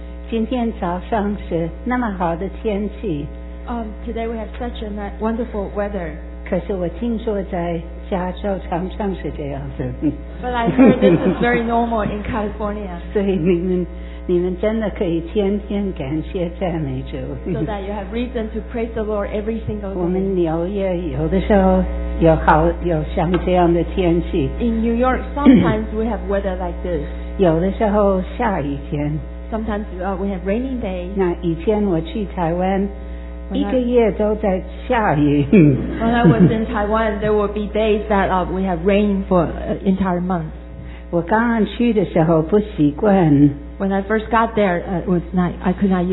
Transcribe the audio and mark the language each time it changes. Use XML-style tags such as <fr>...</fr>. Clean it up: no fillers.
<zh>今天早上是那么好的天气,</zh> <en>today we have such a wonderful weather.</en> <zh>可是我听说在加州常常是这样子,</zh> <en>but I heard this is very normal in California.</en> <zh>所以你们真的可以天天感谢赞美主。</zh> <en>So that you have reason to praise the Lord every single day.</en> <zh>我们纽约有的时候, 有好有像这样的天气。</zh> <en>In New York, sometimes we have weather like this.</en> <zh>有的时候下雨天。</zh> <en>Sometimes we have rainy days.</en> <zh>那以前我去台湾, 一个月都在下雨。</zh> <en>When I was in Taiwan, there will be days that we have rain for an entire month.</en> <zh>我刚刚去的时候不习惯。</zh> <en>When I first got there, I could not use</en>